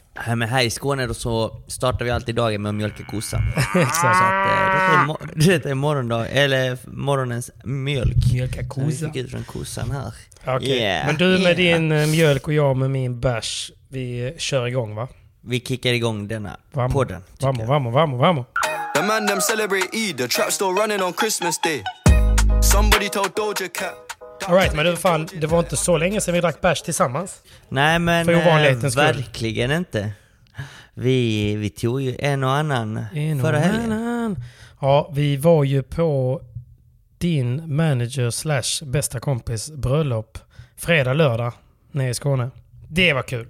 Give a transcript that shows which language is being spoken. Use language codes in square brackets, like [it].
[sv] Här, med här i Skåne då så startar vi alltid dagen med att mjölka kossan. Exakt. Det är morgondag, eller morgonens mjölk. Mjölka kossan. Vi fick ut från kossan här. [en] Okay. Yeah. [sv] Men du med din mjölk och jag med min bärs. Vi kör igång, va? Vi kickar igång denna podden. [es] Vamo. [en] The man them celebrate Eid, the trap still running on Christmas day. Somebody told Doja Cat. All right, [sv] men du, fan, det var inte så länge sedan vi drack bärs tillsammans. Nej, men verkligen inte. Vi tog ju en och annan förra helgen. Ja, vi var ju på din manager / bästa kompis bröllop fredag lördag nere i Skåne. Det var kul.